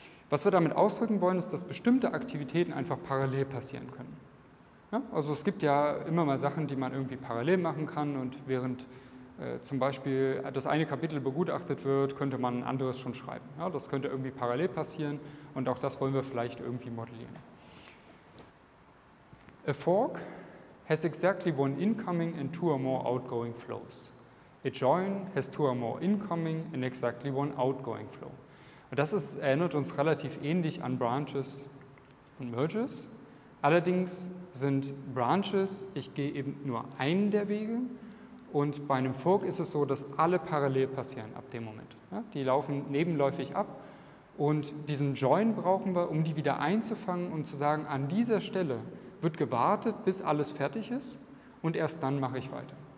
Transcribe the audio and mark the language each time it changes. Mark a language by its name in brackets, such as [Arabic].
[German] Was wir damit ausdrücken wollen, ist, dass bestimmte Aktivitäten einfach parallel passieren können. Ja, also es gibt ja immer mal Sachen, die man irgendwie parallel machen kann und während zum Beispiel das eine Kapitel begutachtet wird, könnte man ein anderes schon schreiben. Ja, das könnte irgendwie parallel passieren und auch das wollen wir vielleicht irgendwie modellieren. [English] A fork has exactly one incoming and two or more outgoing flows. A join has two or more incoming and exactly one outgoing flow. [German] Und das ist, erinnert uns relativ ähnlich an Branches und Merges. Allerdings sind Branches, ich gehe eben nur einen der Wege, und bei einem Fork ist es so, dass alle parallel passieren ab dem Moment. Ja, die laufen nebenläufig ab und diesen Join brauchen wir, um die wieder einzufangen und zu sagen, an dieser Stelle wird gewartet, bis alles fertig ist und erst dann mache ich weiter.